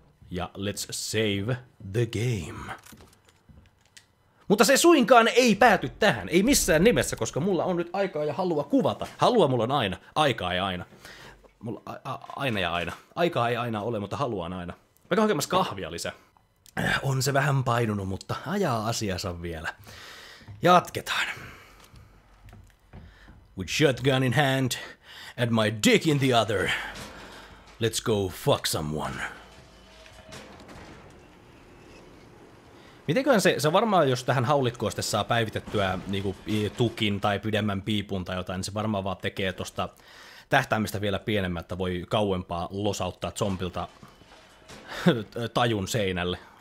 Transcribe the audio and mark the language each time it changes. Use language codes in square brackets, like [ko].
[fi] Ja [en] let's save the game. [fi] Mutta se suinkaan ei pääty tähän, ei missään nimessä, koska mulla on nyt aikaa ja halua kuvata. Halua mulla on aina, aikaa ei aina. Mulla aina ja aina. Aikaa ei aina ole, mutta haluan aina. Mä käyn hakemassa kahvia lisää. On se vähän painunut, mutta ajaa asiansa vielä. Jatketaan. [en] With shotgun in hand and my dick in the other, let's go fuck someone. [fi] Mitenköhän se varmaan, jos tähän haulikkoon sitten saa päivitettyä niin kuin tukin tai pidemmän piipun tai jotain, niin se varmaan vaan tekee tuosta tähtäimistä vielä pienemmän, että voi kauempaa losauttaa zombilta tajun seinälle.